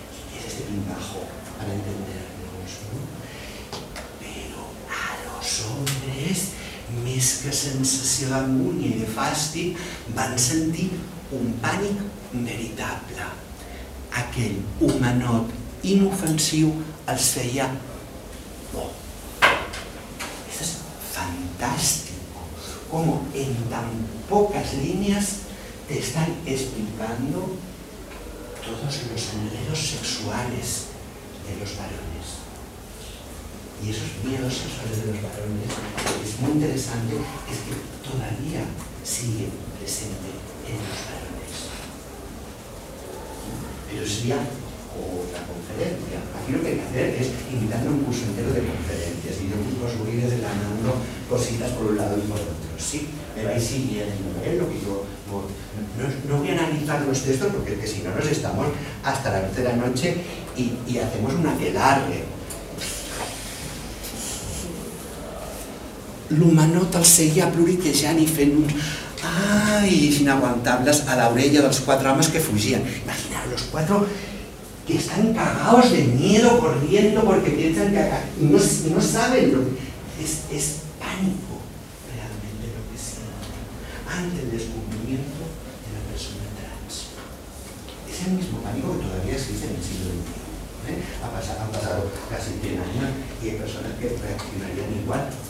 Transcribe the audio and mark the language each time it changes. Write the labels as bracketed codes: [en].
[es] Y es este pintajo para entendernos, ¿no? Pero a los hombres, [ca] més que sensació d'angúnia i de fàstic, van sentir un pànic veritable. Aquell humanot inofensiu els feia por. Això és fantàstic. Com en tan poques línies t'estan explicant tots els anhelos sexuals [es] de los varones. Y esos miedos sexuales de los varones, es muy interesante, es que todavía siguen presentes en los varones. Pero sería otra conferencia. Aquí lo que hay que hacer es invitarme a un curso entero de conferencias. Y yo mismo os voy desgranando cositas por un lado y por otro. Sí, me vais siguiendo, ¿eh? Lo que yo no voy a analizar los textos, porque es que si no nos estamos hasta la noche de la noche y hacemos una que largue. [ca] L'humanot el seguia pluriquejant i fent uns ai inaguantables a l'orella dels quatre homes que fugien. [es] Imaginaos, los cuatro que están cagados de miedo corriendo porque piensan que no saben lo que... Es pánico realmente lo que sienten ante el descubrimiento de la persona trans. Es el mismo pánico que todavía existe en el siglo XXI. ¿Eh? Han pasado casi 100 años y hay personas que reaccionarían igual.